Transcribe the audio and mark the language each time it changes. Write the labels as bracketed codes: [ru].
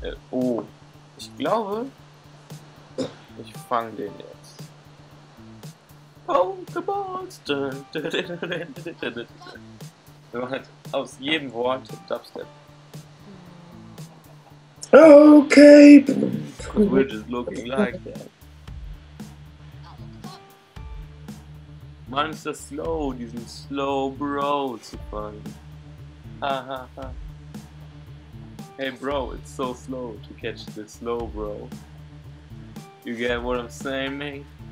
[de] Oh. Ich glaube, ich fang den jetzt. Pokeballs! Wir machen jetzt aus jedem Wort Dubstep. Okay! [en] We're just looking like that. [de] Man ist das slow, diesen Slow Bro zu fangen. Hahaha. [en] Hey Bro, it's so slow to catch the Slow Bro. You get what I'm saying, mate?